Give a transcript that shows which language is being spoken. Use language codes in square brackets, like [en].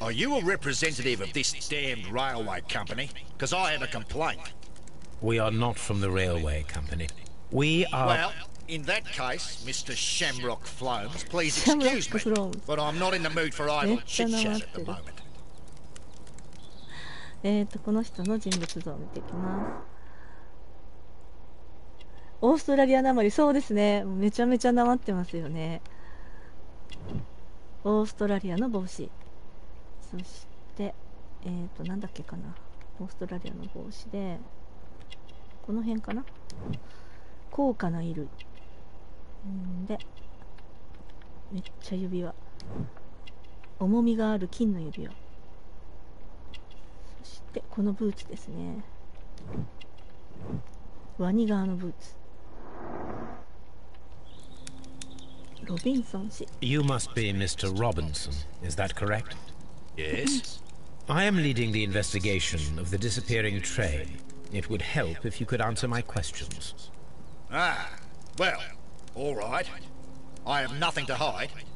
[en] Are you a representative of this damned railway company? Because I have a complaint. We are not from the railway company. We are... Well, in that case, Mr. Shamrock Flomes, please excuse me, but I'm not in the mood for idle chit-chat at the moment. [ja] この人の人物像を見ていきます。オーストラリアなまり、そうですね、めちゃめちゃなまってますよね。オーストラリアの帽子、そしてなんだっけかな、オーストラリアの帽子でこの辺かな、高価な衣類で、めっちゃ指輪、重みがある金の指輪、でこのブーツですね、ワニ側のブーツ、ロビンソン氏。 [en] You must be Mr. Robinson, is that correct? Yes. I am leading the investigation of the disappearing train. It would help if you could answer my questions. Ah, well, all right. I have nothing to hide.